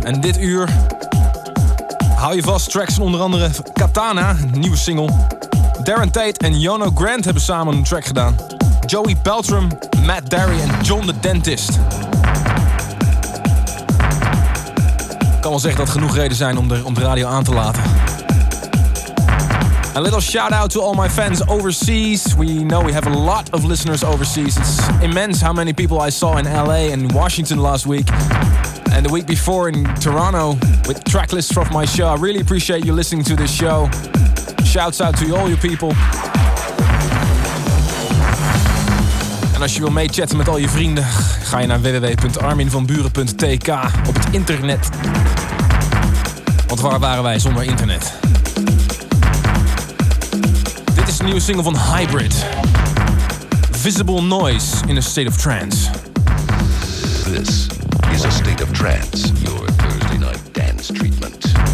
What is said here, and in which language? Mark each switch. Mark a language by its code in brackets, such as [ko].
[nl] En dit uur hou je vast tracks van onder andere Katana, nieuwe single. Darren Tate en Yono Grant hebben samen een track gedaan. Joey Beltram, Matt Derry en John the Dentist. Ik kan wel zeggen dat het genoeg reden zijn om de radio aan te laten. [en] A little shout out to all my fans overseas. We know we have a lot of listeners overseas. It's immense how many people I saw in LA and Washington last week. And the week before in Toronto with tracklists from my show. I really appreciate you listening to this show. Shouts out to all you people. [nl] En als je wil meechatten met al je vrienden, ga je naar www.arminvanburen.tk op het internet. Want waar waren wij zonder internet? Dit is de nieuwe single van Hybrid. [en] Visible Noise in a State of Trance. This is a State of Trance, your Thursday night dance treatment.